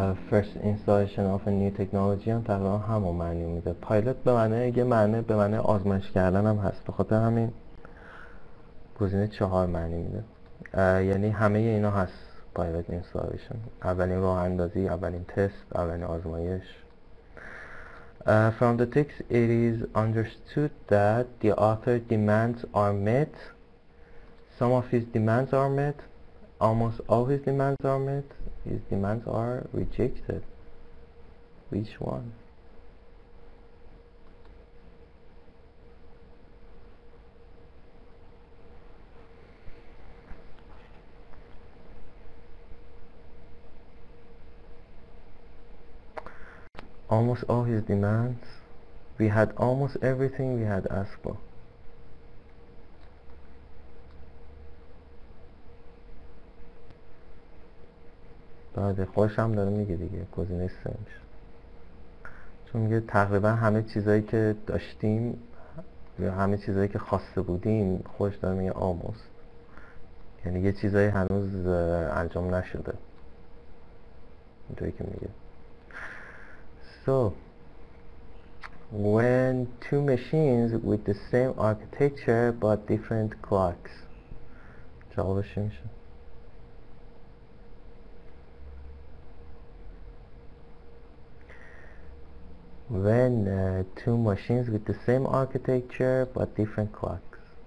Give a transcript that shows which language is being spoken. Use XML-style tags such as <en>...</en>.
<en>first installation of new technology</en> <fa>هم تقریبا همون معنی میده. پایلوت به معنی یه معنی به معنی آزمایش کردن هم هست، بخاطر همین گزینه چهار معنی میده. یعنی همه اینا هست پایلوت اینستالیشن، اولین راه اندازی، اولین تست، اولین آزمایش.</fa> <en>From the text it is understood that the author demands are met. Some of his demands are met. Almost all his demands are met. His demands are rejected. Which one? almost all his demands. We had almost everything we had asked for.</en> <fa>بعده خوش هم داره میگه دیگه گزینه سه میشه، چون میگه تقریبا همه چیزایی که داشتیم یا همه چیزایی که خواسته بودیم، خوش داره میگه almost، یعنی یه چیزایی هنوز انجام نشده اینطوری که میگه.</fa> <en>So when two machines with the same architecture but different clocks،</en> <fa>جوابش میشه</fa> <en>when two machines with the same architecture but different clocks.</en>